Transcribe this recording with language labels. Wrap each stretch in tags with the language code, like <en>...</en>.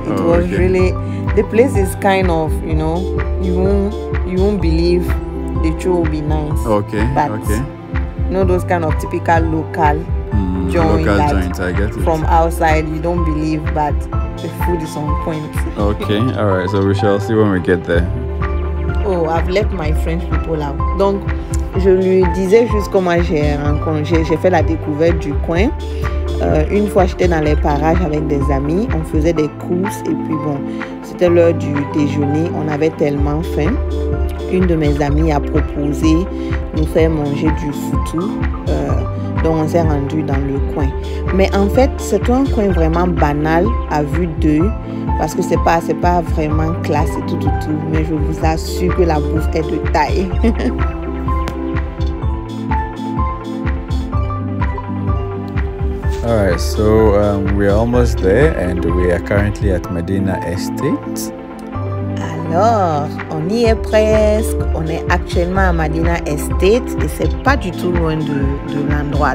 <en>It was really, the place is kind of, you know, you won't believe the show will be nice. Okay. But, you know, those kind of typical local joint, I get it. From outside, you don't believe, but the food is on point. Okay, all right, so we shall see when we get there. Oh, I've let my French people out.</en> <fr>Donc, je lui disais juste comment j'ai rencontré, j'ai fait la découverte du coin. Une fois, j'étais dans les parages avec des amis, on faisait des courses et puis bon, c'était l'heure du déjeuner, on avait tellement faim. Une de mes amies a proposé nous faire manger du futu. Donc on s'est rendu dans le coin. Mais en fait, c'est un coin vraiment banal à vue d'œil parce que c'est pas vraiment classe et tout. Mais je vous assure que la bouffe est de taille.</fr> <en>All right, so we're almost there and we are currently at Madina Estate.</en> <fr>Alors, on y est presque. On est actuellement à Madina Estate et c'est pas du tout loin de l'endroit.</fr>